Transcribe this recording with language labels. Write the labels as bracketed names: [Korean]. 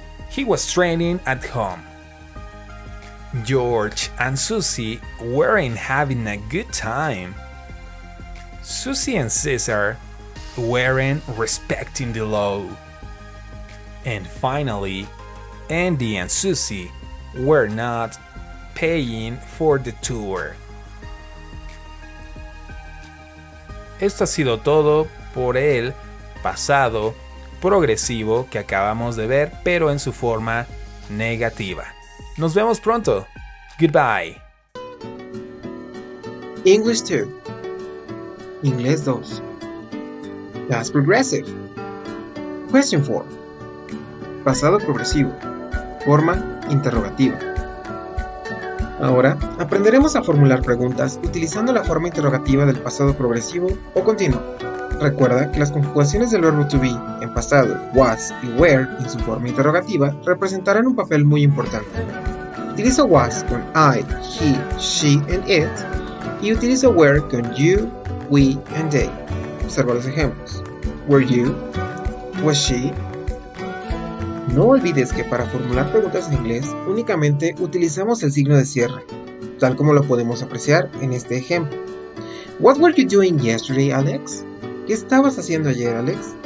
[English] He was training at home. George and Susie weren't having a good time. Susie and Cesar weren't respecting the law. And finally, Andy and Susie were not paying for the tour. [Spanish] Esto ha sido todo por el pasado progresivo que acabamos de ver, pero en su forma negativa. Nos vemos pronto. Goodbye. [English] English 2. [Spanish] Inglés 2. [English] Past progressive. Question 4. [Spanish] Pasado progresivo. Forma interrogativa. Ahora aprenderemos a formular preguntas utilizando la forma interrogativa del pasado progresivo o continuo. Recuerda que las conjugaciones del verbo to be en pasado, was y were en su forma interrogativa representarán un papel muy importante. Utiliza was con I, he, she and it y utiliza were con you, we and they. Observa los ejemplos. [English] Were you? Was she? [Spanish] No olvides que para formular preguntas en inglés únicamente utilizamos el signo de cierre, tal como lo podemos apreciar en este ejemplo. [English] What were you doing yesterday, Alex? [Spanish] ¿Qué estabas haciendo ayer, Alex?